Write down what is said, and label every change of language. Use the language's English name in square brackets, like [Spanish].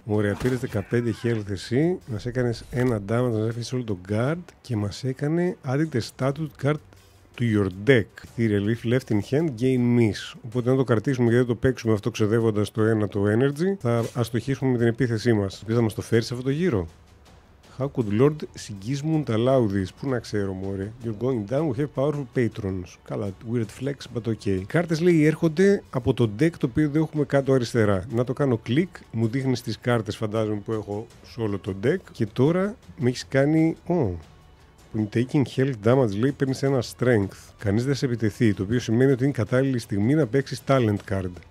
[Greek] Ωραία, πήρες 15 health εσύ. Μας έκανες ένα damage, μας έφυγες όλο το guard και μας έκανε [English] added the status card to your deck. The relief left in hand, gain miss. [Greek] Οπότε να το κρατήσουμε γιατί το παίξουμε αυτό ξοδεύοντας το ένα το energy, θα αστοχήσουμε με την επίθεσή μας. Ποιος θα μας το φέρει σε αυτό το γύρο? [English] How could Lord Sigismund allow this? [Greek] Πού να ξέρω, μωρέ. [English] You're going down, we have powerful patrons. [Greek] Καλά, [English] weird flex, but okay. [Greek] Οι κάρτες λέει έρχονται από το deck το οποίο δεν έχουμε κάτω αριστερά. Να το κάνω click, μου δείχνεις τις κάρτες, φαντάζομαι, που έχω σε όλο το deck. Και τώρα με έχεις κάνει... Oh. Που είναι taking health damage, λέει, παίρνεις ένα strength. Κανείς δεν σε επιτεθεί, το οποίο σημαίνει ότι είναι κατάλληλη στιγμή να παίξεις talent card.